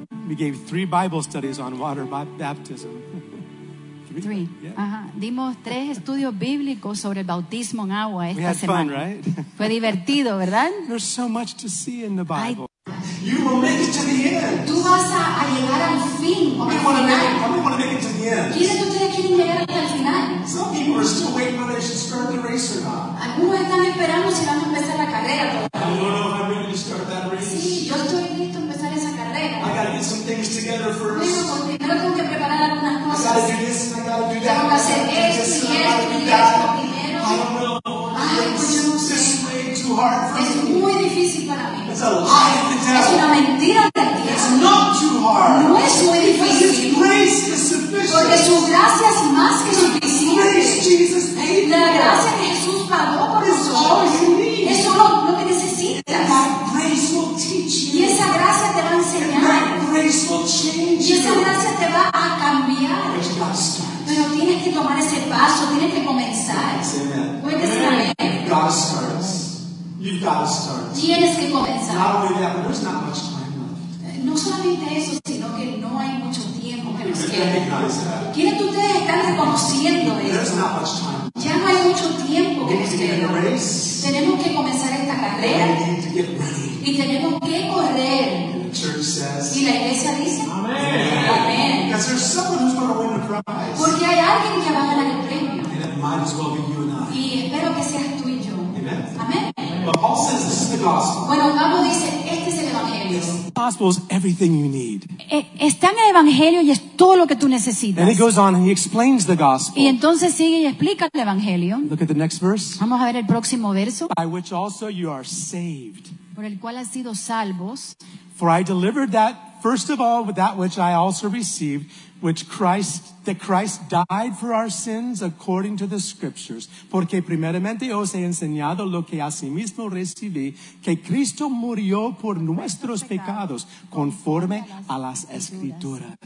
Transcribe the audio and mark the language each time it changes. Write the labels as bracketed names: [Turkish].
[English] Gave three Bible studies on water baptism. Three. [Spanish] Dimos tres estudios bíblicos sobre el bautismo en agua esta semana. [English] We had fun, right? [Spanish] Fue divertido, ¿verdad? [English] There's so much to see in the Bible. You will make it to the end. [Spanish] Tú vas a llegar al fin. [English] We want to make it to the end. [Spanish] ¿Quiénes de ustedes quieren llegar hasta el final? [English] Some people are still waiting whether they should start the race or not. [Spanish] Algunos están esperando si van a empezar la carrera. [English] I don't know if I'm ready to start that race. [Spanish] Sí, yo estoy listo a empezar esa carrera. [English] I gotta get some things together first. [Spanish] Bueno, primero tengo que preparar algunas cosas. [English] I gotta do this and I gotta do that. [Spanish] Tengo que hacer esto y esto y esto primero. [English] I don't know. [Spanish] Es muy difícil para mí. [English] It's a lie of the devil. [Spanish] Es una mentira del diablo. [English] It's not too hard. [Spanish] No es muy difícil. [English] His grace is sufficient. [Spanish] Porque su gracia es más que suficiente. [English] Grace Jesus paid. [Spanish] La gracia que Jesús pagó por nosotros. Es solo lo que necesitas. [English] Grace will teach you. [Spanish] Y esa gracia te va a enseñar. [English] That grace will change you. [Spanish] Y esa gracia te va a cambiar. [English] But you gotta start. [Spanish] Pero tienes que tomar ese paso. Tienes que comenzar. Puedes también. [English] God starts. You've got to start. [Spanish] Tienes que comenzar. [English] Not only that, but there's not much time left. [Spanish] No solamente eso, sino que no hay mucho tiempo que nos queda. ¿Quiénes de ustedes están reconociendo eso? [English] There's not much time. [Spanish] Ya no hay mucho tiempo que nos queda. Tenemos que comenzar esta carrera. [English] And we need to get ready. [Spanish] Y tenemos que correr. [English] And the church says, [Spanish] y la iglesia dice, amén. [English] Because there's someone who's going to win the prize. [Spanish] Porque hay alguien que va a ganar el premio. [English] And it might as well be you and I. [Spanish] Y espero que seas tú y yo. [English] Amen. Paul says this is the gospel. [Spanish] Bueno, Pablo dice, este es el evangelio. [English] The gospel is everything you need. [Spanish] Está en el evangelio y es todo lo que tú necesitas. [English] And he goes on and he explains the gospel. [Spanish] Y entonces sigue y explica el evangelio. [English] Look at the next verse. [Spanish] Vamos a ver el próximo verso. [English] By which also you are saved. [Spanish] Por el cual has sido salvos. [English] For I delivered that, first of all, with that which I also received, which Christ, that Christ died for our sins according to the scriptures. [Spanish] Porque primeramente os he enseñado lo que asimismo recibí, que Cristo murió por nuestros pecados, conforme a las escrituras.